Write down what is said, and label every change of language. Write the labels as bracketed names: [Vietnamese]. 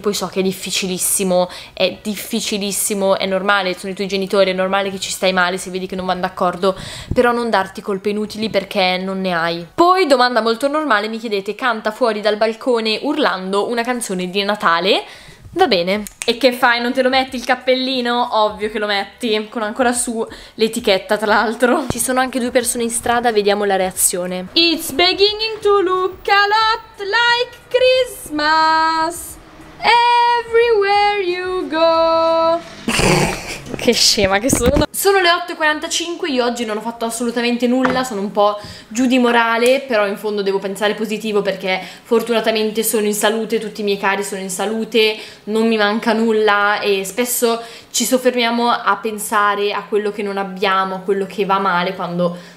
[Italian] Poi so che è difficilissimo, è normale, sono i tuoi genitori, è normale che ci stai male se vedi che non vanno d'accordo, però non darti colpe inutili perché non ne hai. Poi, domanda molto normale, mi chiedete: canta fuori dal balcone urlando una canzone di Natale. Va bene. E che fai? Non te lo metti il cappellino? Ovvio che lo metti, con ancora su l'etichetta tra l'altro. Ci sono anche due persone in strada, vediamo la reazione. [English] It's beginning to look a lot like Christmas everywhere you go. [Italian] Che scema che sono. Sono le 8.45, io oggi non ho fatto assolutamente nulla, sono un po' giù di morale, però in fondo devo pensare positivo perché fortunatamente sono in salute, tutti i miei cari sono in salute, non mi manca nulla, e spesso ci soffermiamo a pensare a quello che non abbiamo, a quello che va male, quando